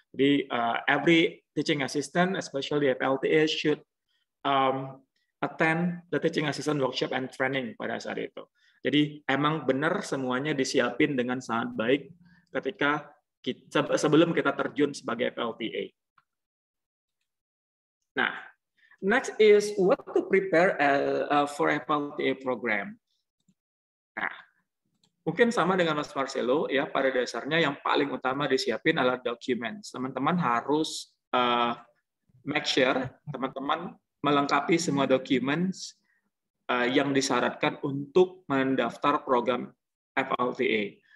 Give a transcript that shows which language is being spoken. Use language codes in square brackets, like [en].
[en] Jadi every teaching assistant, especially FLTA, should attend the teaching assistant workshop and training [id] pada saat itu. Jadi emang benar semuanya disiapin dengan sangat baik ketika kita, sebelum kita terjun sebagai FLTA. [en] Nah, next is what to prepare for FLTA program. [id] Nah, mungkin sama dengan Mas Marcelo, ya, pada dasarnya yang paling utama disiapin adalah documents. Teman-teman harus [en] make sure [id] teman-teman melengkapi semua documents yang disyaratkan untuk mendaftar program FLTA.